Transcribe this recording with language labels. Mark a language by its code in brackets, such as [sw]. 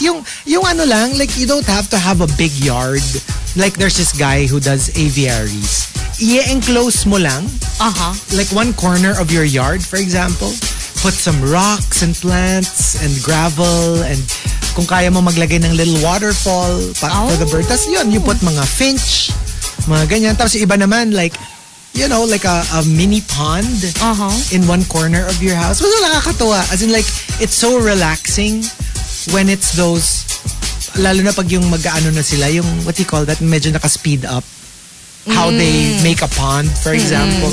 [tl] Yung ano lang, [en] like you don't have to have a big yard. Like there's this guy who does aviaries. [tl] I-enclose mo lang. Uh-huh. [en] Like one corner of your yard, for example. Put some rocks and plants and gravel and [tl] kung kaya mo maglagay ng [en] little waterfall for the bird. [tl] Tapos yun, [en] you put [tl] mga finch, mga ganyan. Tapos iba naman, [en] like, you know, like a mini pond, uh-huh, in one corner of your house. [tl] Mas nakakatuwa. [en] As in, like, it's so relaxing when it's those, [tl] lalo na pag yung mag-ano na sila, yung, [en] what do you call that, [tl] medyo naka-speed up. [en] How they make a pond, for example.